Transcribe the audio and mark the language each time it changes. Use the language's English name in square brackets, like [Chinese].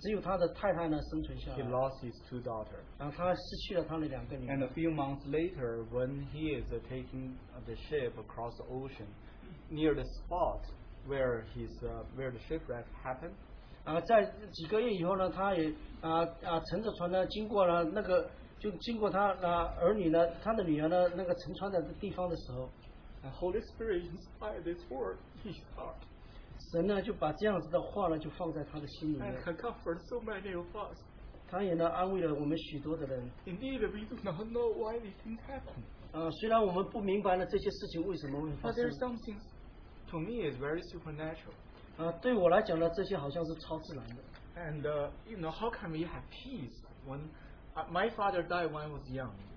[Chinese] 只有他的太太呢生存下来。 [English] He lost his two daughters. [Chinese] 然后他失去了他的两个女儿。 [English] And a few months later, when he is taking the ship across the ocean, near the spot where the shipwreck happened. [Chinese] 在几个月以后呢，他也乘着船呢，经过了那个，就经过他儿女呢，他的女儿呢，那个沉船的地方的时候， [English] Holy Spirit inspired this word in his heart. [Chinese] 神呢就把这样子的话呢就放在他的心里面。He [English] comforted so many of us. [Chinese] 他也呢安慰了我们许多的人。Indeed, [English] we do not know why these things happen. [Chinese] 虽然我们不明白了这些事情为什么会发生。But [English] there's something to me is very supernatural. [Chinese] 对我来讲呢，这些好像是超自然的。And [English] you know, how can we have peace when my father died when I was young?